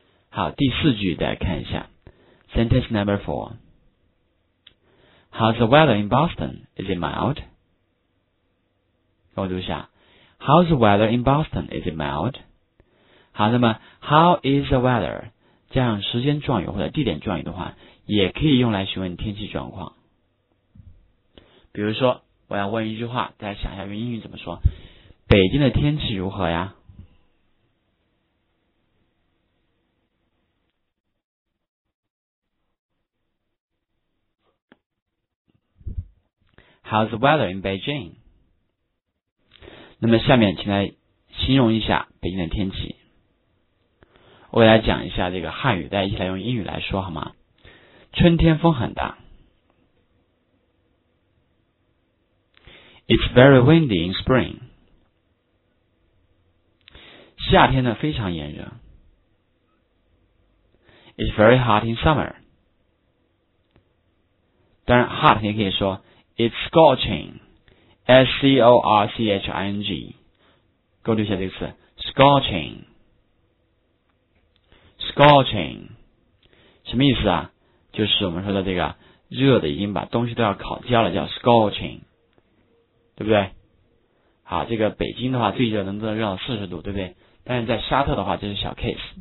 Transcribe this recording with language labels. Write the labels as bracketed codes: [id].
[zh] 好，第四句再看一下。 [en] Sentence number four. How's the weather in Boston? Is it mild? [zh] 跟我读一下。 [en] How's the weather in Boston? Is it mild? [zh] 好，那么 [en] How is the weather? [zh] 加上时间状语或者地点状语的话，也可以用来询问天气状况。比如说，我要问一句话，大家想一下用英语怎么说：北京的天气如何呀？ [en] How's the weather in Beijing? [zh] 那么下面请来形容一下北京的天气。我给大家讲一下这个汉语，大家一起来用英语来说好吗？春天风很大。 [en] It's very windy in spring. [zh] 夏天呢非常炎热。 [en] It's very hot in summer. [zh] 当然 hot 你可以说 [en] It's scorching, [zh] S-C-O-R-C-H-I-N-G. 勾读一下这个词 ,scorching, scorching. 什么意思啊？就是我们说的这个热的已经把东西都要烤焦了，叫 scorching, 对不对？好，这个北京的话最热能热到40度，对不对？但是在沙特的话这是小 case。